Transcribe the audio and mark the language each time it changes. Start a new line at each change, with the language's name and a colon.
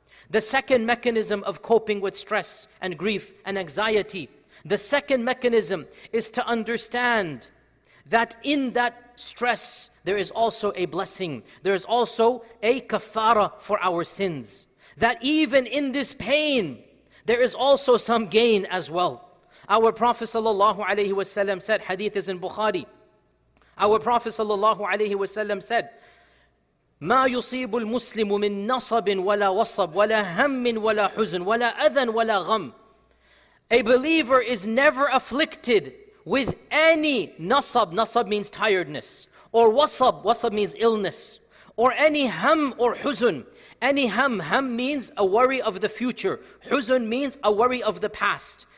English: The second mechanism of coping with stress and grief and anxiety, the second mechanism is to understand that in that stress, there is also a blessing. There is also a kafara for our sins. That even in this pain, there is also some gain as well. Our Prophet sallallahu alayhi wa sallam said, hadith is in Bukhari. Our Prophet sallallahu alayhi wa sallam said,
Arabic: مَا يُصِيبُ الْمُسْلِمُ مِنْ نَصَبٍ وَلَا وَصَبٍ وَلَا هَمٍ وَلَا حُزٍ وَلَا أَذًا وَلَا غَمٍ.
English: A believer is never afflicted with any nasab, nasab means tiredness, or wasab, wasab means illness, or any ham or huzun. Any ham, ham means a worry of the future. Huzun means a worry of the past.